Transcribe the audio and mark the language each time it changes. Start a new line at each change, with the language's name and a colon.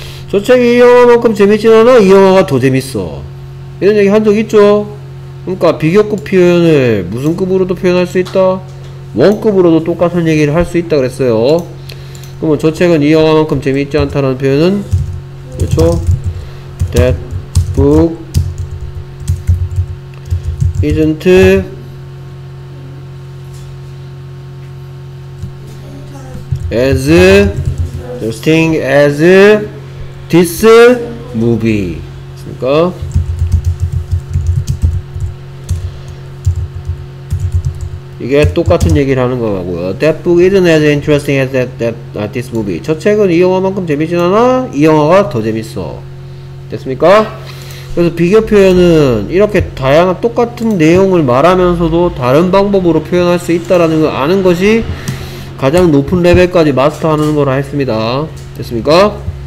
Korean: 저 책이 이 영화만큼 재미있진 않아? 이 영화가 더 재밌어. 이런 얘기 한 적 있죠? 그러니까 비교급 표현을 무슨 급으로도 표현할 수 있다? 원급으로도 똑같은 얘기를 할 수 있다 그랬어요. 그러면 저 책은 이 영화만큼 재미있지 않다라는 표현은 그렇죠?
English: That book isn't as interesting as this movie.
Korean: 그러니까 이게 똑같은 얘기를 하는 거 같고요.
English: That book isn't as interesting as this movie.
Korean: 저 책은 이 영화만큼 재밌진 않아? 이 영화가 더 재밌어. 됐습니까? 그래서 비교 표현은 이렇게 다양한 똑같은 내용을 말하면서도 다른 방법으로 표현할 수 있다라는 걸 아는 것이 가장 높은 레벨까지 마스터하는 거라 했습니다. 됐습니까?